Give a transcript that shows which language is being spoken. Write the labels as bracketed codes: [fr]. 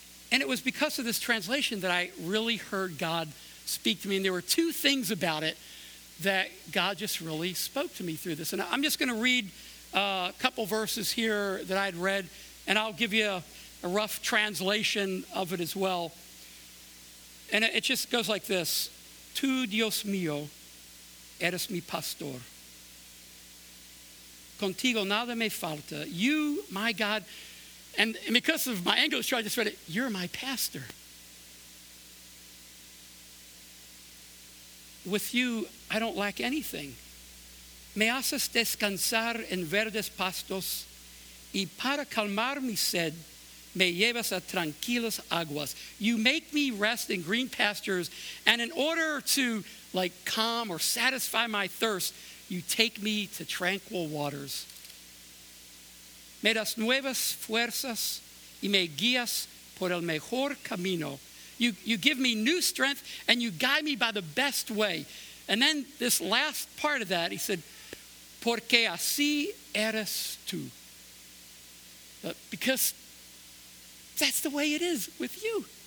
[en] And it was because of this translation that I really heard God speak to me. And there were two things about it that God just really spoke to me through this. And I'm just going to read a couple verses here that I'd read, and I'll give you a rough translation of it as well. And it just goes like this. [es] Tú, Dios mío, eres mi pastor. Contigo nada me falta. [en] You, my God, and because of my English, I just read it, you're my pastor. With you, I don't lack anything. [es] Me haces descansar en verdes pastos y para calmar mi sed, me llevas a tranquilas aguas. [en] You make me rest in green pastures, and in order to like calm or satisfy my thirst, you take me to tranquil waters. [es] Me das nuevas fuerzas y me guías por el mejor camino. [en] You give me new strength and you guide me by the best way. And then this last part of that, he said, [es] porque así eres tú. [en] Because that's the way it is with you.